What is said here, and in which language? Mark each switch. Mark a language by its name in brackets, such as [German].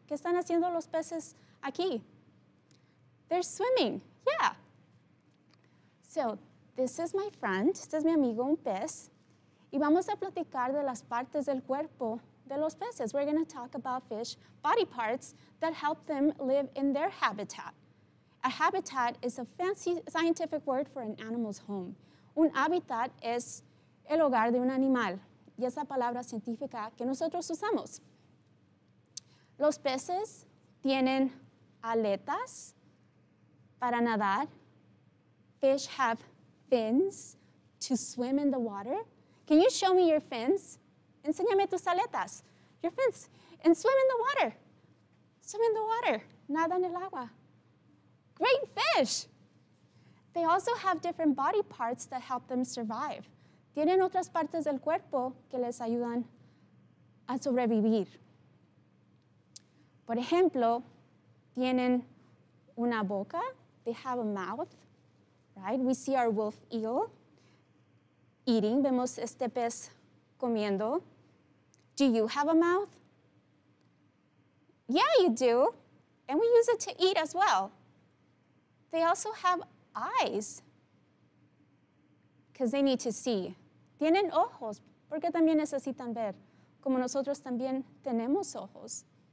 [Spanish] ¿Qué están haciendo los peces aquí? [English] They're swimming, yeah. So, this is my friend, [Spanish] este es mi amigo, un pez. Y vamos a platicar de las partes del cuerpo de los peces. [English] We're going to talk about fish body parts that help them live in their habitat. A habitat is a fancy scientific word for an animal's home. [Spanish] Un hábitat es el hogar de un animal. Y esa palabra científica que nosotros usamos. Los peces tienen aletas para nadar. [English] Fish have fins to swim in the water. Can you show me your fins? [Spanish] Enséñame tus aletas. [English] Your fins. And swim in the water. Swim in the water. [Spanish] Nada en el agua. [English] Great fish! They also have different body parts that help them survive. [Spanish] Tienen otras partes del cuerpo que les ayudan a sobrevivir. Por ejemplo, tienen una boca. [English] They have a mouth. Right? We see our wolf eel eating. [Spanish] Vemos este pez comiendo. [English] Do you have a mouth? Yeah, you do. And we use it to eat as well. They also have eyes because they need to see. [Spanish] Tienen ojos porque también necesitan ver, como nosotros también tenemos ojos.